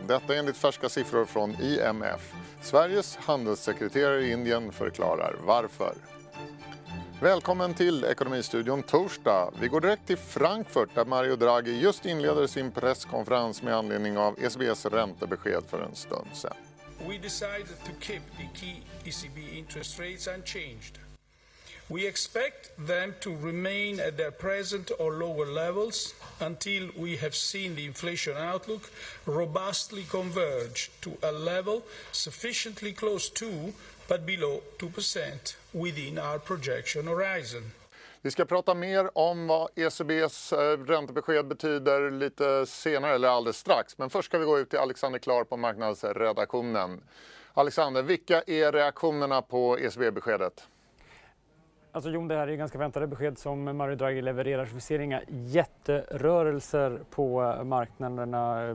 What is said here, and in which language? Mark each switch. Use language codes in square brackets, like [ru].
[sv] Detta enligt färska siffror från IMF. Sveriges handelssekreterare i Indien förklarar varför. Välkommen till Ekonomistudion torsdag. Vi går direkt till Frankfurt där Mario Draghi just inleder sin presskonferens med anledning av ECBs räntebesked för en stund sedan. [en] We decided to keep the key ECB interest rates unchanged. We expect them to remain at their present or lower levels until we have seen the inflation outlook robustly converge to a level sufficiently close to but below 2% within our projection horizon. [sv] Vi ska prata mer om vad ECBs räntebesked betyder lite senare eller alldeles strax, men först ska vi gå ut till Alexander Klar på marknadsredaktionen. Alexander, vilka är reaktionerna på ECB-beskedet? Alltså Jon, det här är ju ganska väntade besked som Mario Draghi levererar. Så vi ser inga jätterörelser på marknaderna.